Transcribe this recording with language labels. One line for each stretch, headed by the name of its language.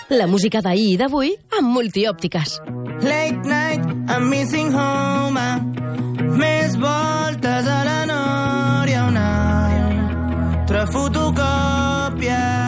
Catalan: Música d'ahir i d'avui amb Multiòptiques.
English: Late night, I'm missing home.
Catalan: Més voltes a la nòria, una altra fotocòpia.